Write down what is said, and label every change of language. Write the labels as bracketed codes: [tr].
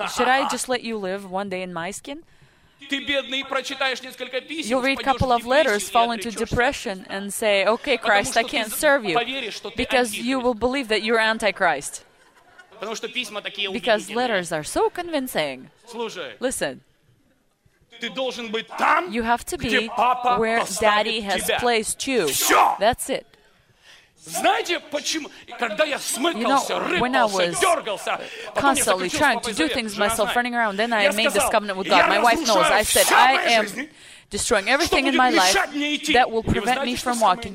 [en] Should I just let you live one day in my skin? You'll read a couple of letters, fall into depression, and say, okay, Christ, I can't serve you, because you will believe that you're Antichrist. Because letters are so convincing. Listen, you have to be where Daddy has placed you. That's it. [ru] Знаете, почему? Когда я смыкался, рыпался, дергался, [en] constantly trying to do things myself, running around, then I made this covenant with God. My wife knows. I said, I am destroying everything in my life that will prevent me from walking.